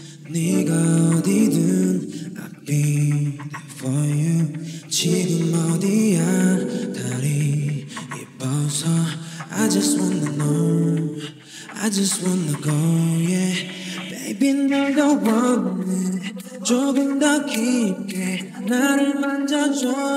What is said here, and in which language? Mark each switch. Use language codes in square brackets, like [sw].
[ko] 네가 어디든 [en] I'll be there for you. [ko] 지금 어디야 달이 이뻐서. [en] I just wanna know, I just wanna go, yeah. [ko] Baby 날 더 원해. 조금 더 깊게 나를 만져줘.